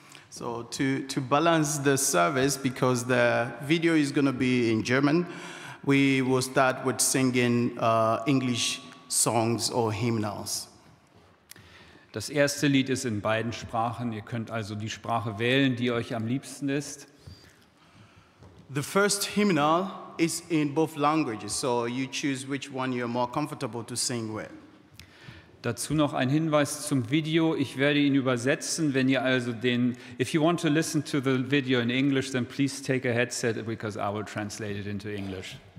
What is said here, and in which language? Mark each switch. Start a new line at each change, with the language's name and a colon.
English: So to balance the service, because the video is going to be in German, we will start with singing English songs or hymnals.
German: Das erste Lied ist in beiden Sprachen. Ihr könnt also die Sprache wählen, die euch am liebsten ist.
English: The first hymnal is in both languages, so you choose which one you're more comfortable to sing with.
German: Dazu noch ein Hinweis zum Video. Ich werde ihn übersetzen, wenn ihr also den...
English: If you want to listen to the video in English, then please take a headset, because I will translate it into English.